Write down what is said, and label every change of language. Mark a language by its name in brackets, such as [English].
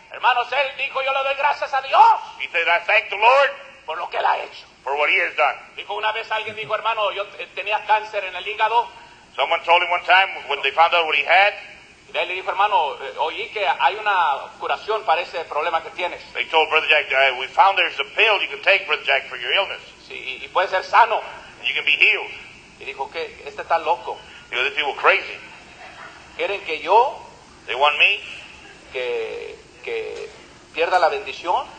[Spanish] Hermanos, él dijo, yo le doy gracias a Dios. [English] He said, I thank the Lord. [Spanish] Por lo que él ha hecho. [English] For what he has done. [Spanish] Dijo, una vez alguien dijo, hermano, yo tenía cáncer en el hígado. [English] Someone told him one time, when they found out what he had. [Spanish] Y él le dijo, hermano, oí que hay una curación para ese problema que tienes. [English] They told Brother Jack, we found there's a pill you can take, Brother Jack, for your illness. [Spanish] Sí, y puede ser sano. [English] And you can be healed. [Spanish] Y dijo, ¿qué? Este está loco. [English] He said, this people crazy. [Spanish] ¿Quieren que yo? [English] They want me? [Spanish] Que pierda la bendición.